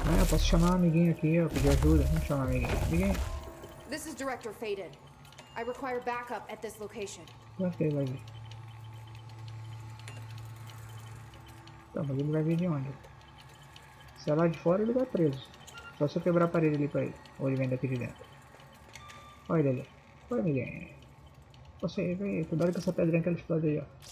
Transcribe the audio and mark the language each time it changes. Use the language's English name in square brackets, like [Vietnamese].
[Portuguese] Posso chamar um amiguinho aqui, eu pedi ajuda. Vamos chamar um amiguinho. Amiguinho. [English] This is Director Faded. I require backup at this location. [Portuguese] Eu acho que ele vai vir. Tá, mas ele vai vir de onde? Se é lá de fora, ele vai preso. Só se eu quebrar a parede ali pra ele. Ou ele vem daqui de dentro. Olha ele ali. Oi, amiguinho. Você, vem aí. Cuidado com essa pedrinha que ela explode aí, ó.